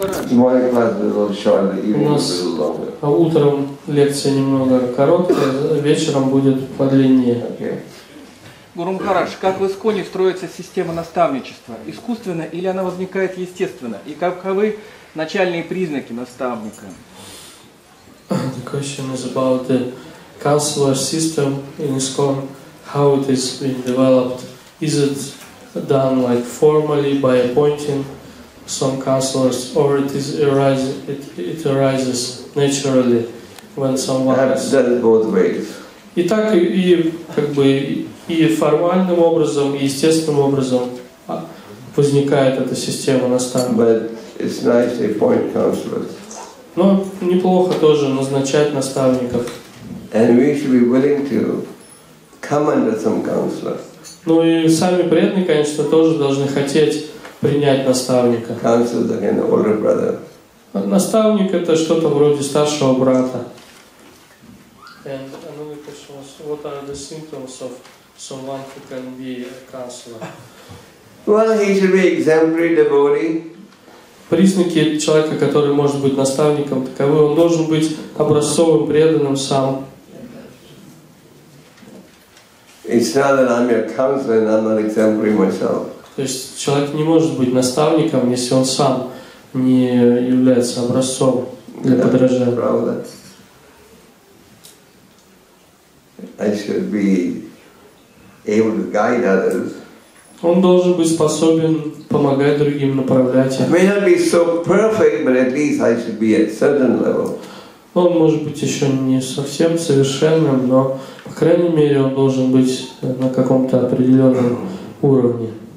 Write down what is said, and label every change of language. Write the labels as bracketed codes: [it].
[ru] У нас утром лекция немного короткая, вечером будет подлиннее. Гуру Махарадж, как в Исконе строится система наставничества? Искусственно или она возникает естественно? И каковы начальные признаки наставника? [en] The question is about the counselor system in Iskon. How it is being developed? Is it done like formally by appointing some counselors, or it arises naturally when someone has done both ways. [ru] И так и формальным образом, и естественным образом возникает эта система наставников. [en] But it's nice to appoint counselors. [ru] Но неплохо тоже назначать наставников. [en] And we should be willing to come under some counselors. [ru] Ну и сами преданные, конечно, тоже должны хотеть принять наставника. [en] Counselor, again, older brother. [ru] Наставник – это что-то вроде старшего брата. [en] And another question was, what are the symptoms of someone who can be a counselor? Well, he should be exemplary devotee. [ru] Признаки человека, который может быть наставником, таковы. Он должен быть образцовым, преданным сам. [en] It's not that I'm your counselor and I'm not exemplary myself. [ru] То есть человек не может быть наставником, если он сам не является образцом для подражания. Правда. [en] I should be able to guide others. [ru] Он должен быть способен помогать другим, направлять их. [en] May not be so perfect, but at least I should be at certain level. [ru] Он может быть еще не совсем совершенным, но по крайней мере он должен быть на каком-то определенном уровне.